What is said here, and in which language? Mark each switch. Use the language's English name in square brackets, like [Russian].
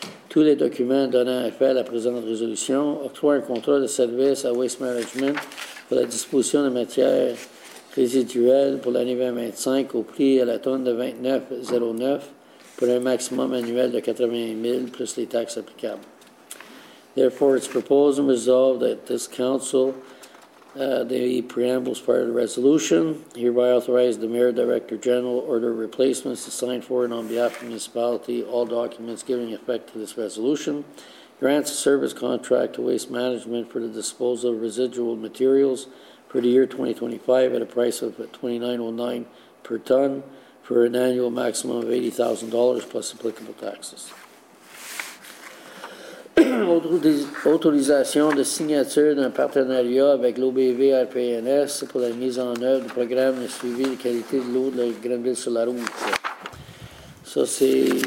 [French] Tous les documents donnant effet à la présente résolution octroient un contrat de service à Waste Management pour la disposition de matières résiduelles pour l'année 2025 au prix à la tonne de 29,09 pour un maximum annuel de 80 000 plus les taxes applicables. [English] Therefore, it's proposed and resolved that this council, the preambles part of the resolution, hereby authorize the Mayor Director General order replacements to sign for and on behalf of the municipality all documents giving effect to this resolution, grants a service contract to Waste Management for the disposal of residual materials for the year 2025 at a price of $29.09 per ton for an annual maximum of $80,000 plus applicable taxes. [French] Autorisation de signature d'un partenariat avec l'OBV RPNS pour la mise en œuvre du programme de suivi de qualité de l'eau de la Grenville-sur-la-Route. Ça, c'est.